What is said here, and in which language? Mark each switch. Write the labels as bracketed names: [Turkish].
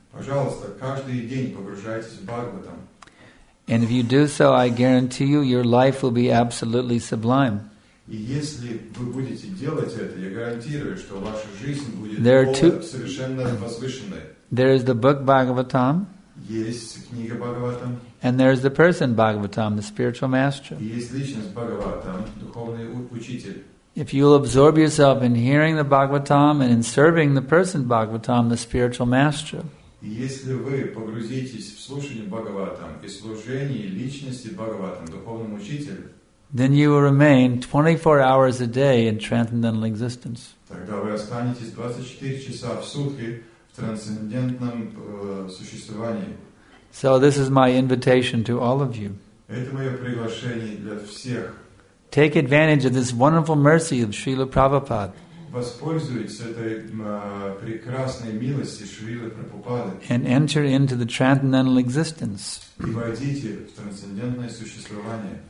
[Russian] Пожалуйста, каждый день погружайтесь в Бхагаватам. [English] And if you do so, I guarantee you, your life will be absolutely sublime. [Russian] И если вы будете делать это, я гарантирую, что ваша жизнь будет совершенно возвышенной. [English] There is the book Bhagavatam. [Russian] Есть книга Бхагаватам. [English] And there is the person Bhagavatam, the spiritual master. [Russian] Есть личность Бхагаватам, духовный учитель. [English] If you will absorb yourself in hearing the Bhagavatam and in serving the person Bhagavatam, the spiritual master. [Russian] Если вы погрузитесь в слушание Бхагаватам и служение личности Бхагаватам, духовному учителю, [English] then you will remain 24 hours a day in transcendental existence. [Russian] Тогда вы останетесь 24 часа в сутки в трансцендентном существовании. [English] So this is my invitation to all of you. [Russian] Это мое приглашение для всех. [English] Take advantage of this wonderful mercy of Srila Prabhupada. [Russian] Воспользуйтесь этой прекрасной милости Шрилы Прабхупады. [English] And enter into the transcendental existence. [Russian] И войдите в трансцендентное существование.